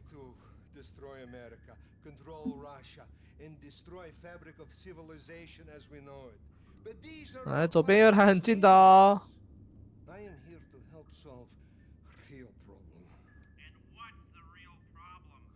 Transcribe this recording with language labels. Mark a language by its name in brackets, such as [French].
[English] To destroy America, control Russia, and destroy fabric of civilization as we know it. But these are [Chinese] 哎，左边有台很近的哦。 [English] I am here to help solve real problem. And what's the real problem?